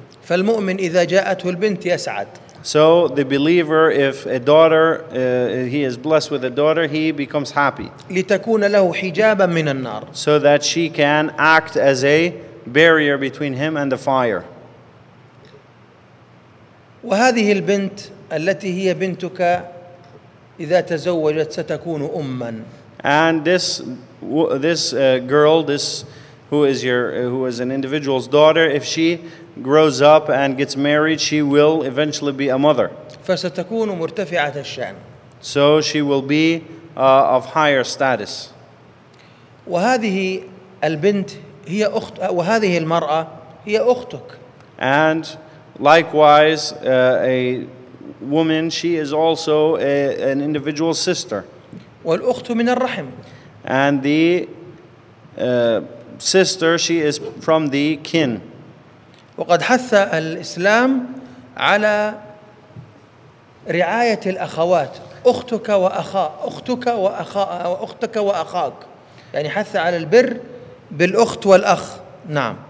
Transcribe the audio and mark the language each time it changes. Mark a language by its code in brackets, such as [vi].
[ar] فالمؤمن إذا جاءته البنت يسعد. [en] So the believer, if a daughter, he is blessed with a daughter, he becomes happy. [ar] لتكون له حجابا من النار. [en] So that she can act as a barrier between him and the fire. [ar] وهذه البنت التي هي بنتك إذا تزوجت ستكون أما. [en] And this girl, who is an individual's daughter, if she grows up and gets married, she will eventually be a mother. [ar] فستكون مرتفعة الشأن. [en] So she will be of higher status. [ar] وهذه البنت هي أخت وهذه المرأة هي أختك. [en] And likewise, a woman, she is also an individual sister. [ar] والأخت من الرحم. [en] And the sister, she is from the kin. [ar] وقد حث الإسلام على رعاية الأخوات أختك وأخا أختك وأخا أختك وأخاك يعني حث على البر بالأخت والأخ نعم.